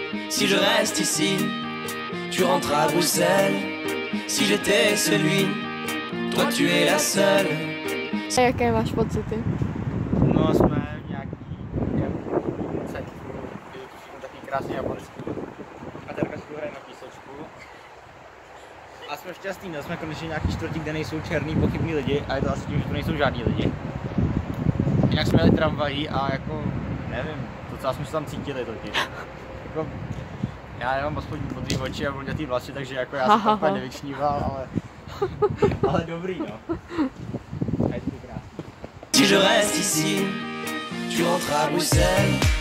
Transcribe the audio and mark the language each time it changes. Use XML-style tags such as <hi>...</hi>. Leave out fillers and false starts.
<fr>Si je reste ici, tu rentres à Bruxelles. Si j'étais celui, toi tu es la seule.</fr> <cs>A jaké máš pocity? No, jsme nějaký... Taký krásný japonský. A Terka si hraje na písečku. A jsme šťastní, jsme konečně nějaký čtvrtí, kde nejsou černý pochybní lidi. A je to asi tím, že tu nejsou žádní lidi. Jinak jsme jeli tramvají a jako... Nevím, docela jsme se tam cítili totiž. Jako... Já nemám aspoň modrý oči a blondětý vlasy, takže jako já jsem tam nevyčníval, ale... Ale dobrý, no. A je to krásný.</cs> <fr>Si je reste ici, tu rentres à Bruxelles.</fr>